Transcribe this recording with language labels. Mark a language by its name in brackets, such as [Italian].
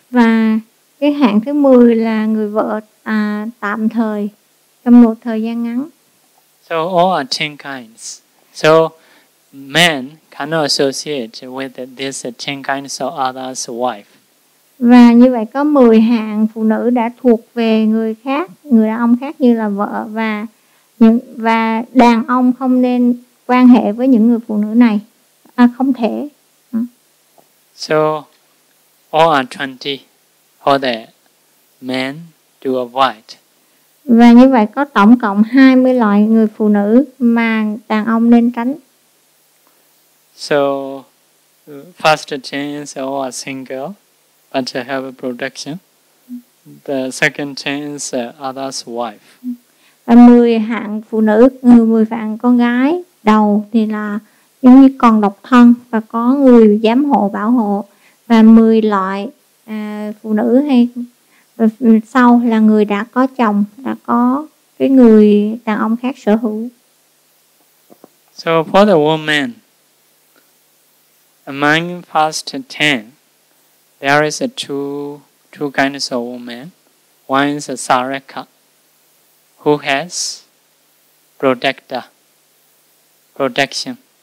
[Vietnamese] Và cái hạng thứ 10 là người vợ tạm thời trong một thời gian ngắn. [English] So all are 10 kinds. So men cannot associate with these 10 kinds of others' wife. [Vietnamese] Và như vậy có 10 hạng phụ nữ đã thuộc về người khác, người đàn ông khác như là vợ, và đàn ông không nên quan hệ với những người phụ nữ này. À, không thể. [English] So all are 20 for the men to avoid. [Vietnamese] Và như vậy có tổng cộng 20 loại người phụ nữ mà đàn ông nên tránh. [English] So first 10 is all are single but have a protection. The second 10 is other's wife. [Vietnamese] Và 10 hạng phụ nữ, 10 hạng con gái đầu thì là giống như còn độc thân và có người giám hộ bảo hộ, và 10 loại phụ nữ hay sau là người đã có chồng, đã có cái người đàn ông khác sở hữu. [English] So for the woman, among first 10, there is two kinds of women. One is a Saraka, who has protection.